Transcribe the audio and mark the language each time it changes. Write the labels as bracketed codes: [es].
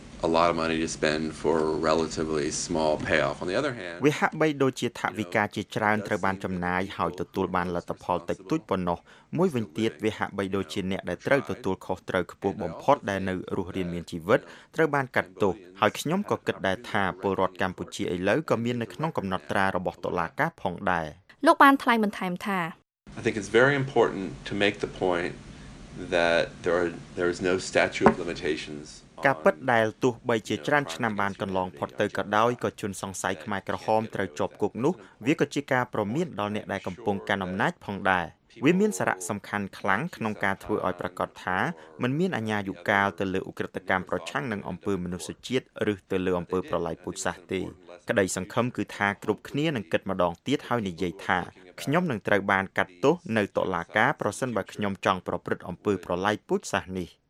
[en] A lot of money to spend for a relatively small payoff. On the other hand, we have [km] បីដូចជាថវិកាជាច្រើនត្រូវបានចំណាយហើយទទួលបានលទ្ធផលតិចតួចប៉ុណ្ណោះមួយវិញទៀតវាហាក់បីដូចជាអ្នកដែលត្រូវទទួលខុសត្រូវខ្ពស់បំផុតដែលនៅរស់រានមានជីវិតត្រូវបានកាត់ទោសហើយខ្ញុំក៏គិតដែរថាពលរដ្ឋកម្ពុជាឥឡូវក៏មាននៅក្នុងកំណត់ត្រារបស់តុលាការផងដែរ លោកបានថ្លែងបន្ថែមថា [en] I think it's very important to make the point that there is no statute of limitations. [km] ការពិតដែលទោះបីជាច្រើនឆ្នាំបានកន្លងផុតទៅក៏ដោយក៏ជនសង្ស័យខ្មែរក្រហមត្រូវជាប់គុកនោះវាក៏ជាការព្រមានដល់អ្នកដែលកំពុងកាន់អំណាចផងដែរវាមានសារៈសំខាន់ខ្លាំងក្នុងការធ្វើឲ្យប្រកាសថា [th] มัน [km] មានអាញាយុកាលទៅលើឧក្រិដ្ឋកម្មប្រឆាំងនឹងអំពើមនុស្សជាតិឬទៅលើអំពើប្រល័យពូជសាសន៍ទេក្តីសង្ឃឹមគឺថាគ្រប់គ្នានឹងគិតម្ដងទៀតហើយនិយាយថាខ្ញុំនឹងត្រូវបានកាត់ទោសនៅតុលាការប្រសិនបើខ្ញុំចង់ប្រព្រឹត្តអំពើប្រល័យពូជសាសន៍នេះ